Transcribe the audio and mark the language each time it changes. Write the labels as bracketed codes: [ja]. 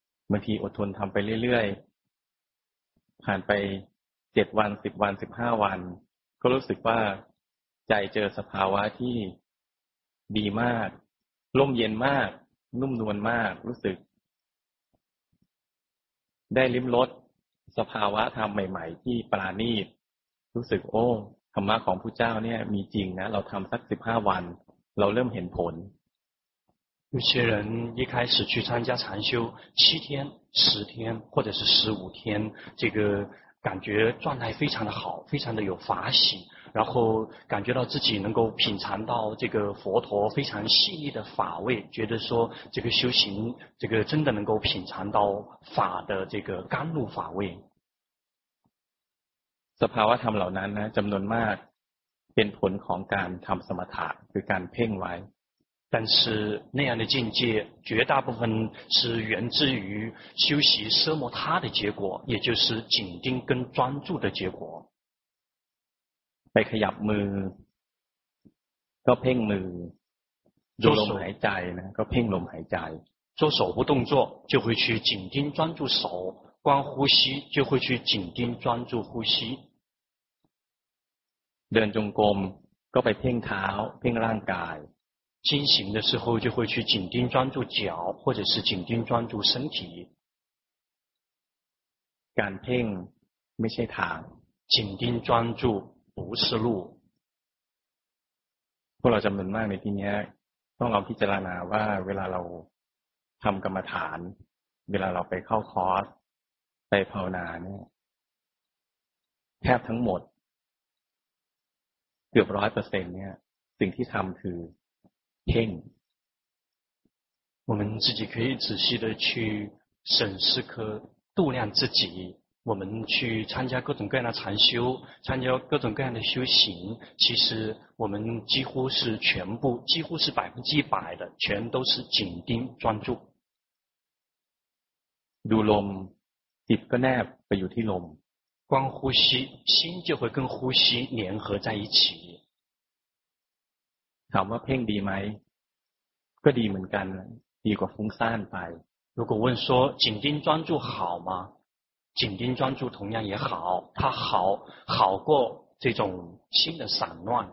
[th] บางทีอดทนทำไปเรื่อยๆผ่านไป7วัน10วัน15วันก็รู้สึกว่าใจเจอสภาวะที่ดีมากร่มเย็นมากนุ่มนวลมากรู้สึกได้ลิ้มรสสภาวะธรรมใหม่ๆที่ปราณีตรู้สึกโอ้ธรรมะของพุทธเจ้าเนี่ยมีจริงนะเราทำสัก15วันเราเริ่มเห็นผล [zh] 有些人一开始去参加禅修七天十天或者是十五天这个感觉状态非常的好非常的有法喜然后感觉到自己能够品尝到这个佛陀非常细腻的法味觉得说这个修行这个真的能够品尝到法的这个甘露法味 [th] สภาวะธรรมเหล่านั้นนะจำนวนมากเป็นผลของการทำสมถะคือการเพ่งไว้ [zh] 但是那样的境界绝大部分是源自于修习奢摩他的结果也就是紧盯跟专注的结果 [th] ไปขยับมือก็เพ่งมือดูลมหายใจนะก็เพ่งลมหายใจ [zh] 做手部动作就会去紧盯专注手观呼吸就会去紧盯专注呼吸 [th] เดินจงกรมก็ไปเพ่งเท้าเพ่งร่างกาย [zh] จิ้งฉิง的时候就会去紧盯专注脚或者是紧盯专注身体 [th] การเพ่งไม่ใช่ทาง [zh] 紧盯专注不是路 [th] พวกเราจำนวนมากในที่นี้ต้องลองพิจารณาว่าเวลาเราทำกรรมฐานเวลาเราไปเข้าคอร์สไปภาวนาเนี่ยแทบทั้งหมดเกือบ 100% เนี่ยสิ่งที่ทำคือKing. [zh] 我们自己可以仔细的去审视和度量自己我们去参加各种各样的禅修参加各种各样的修行其实我们几乎是全部几乎是百分之百的全都是紧盯专注 [th] ดูลมจิตก็แนบไปอยู่ที่ลม [zh] 光呼吸心就会跟呼吸联合在一起 [th] ถามว่าเพ่งดีไหมก็ดีเหมือนกันดีกว่าฟุ้งซ่านไป [zh] 如果问说紧盯专注好吗紧盯专注同样也好它好好过这种心的散乱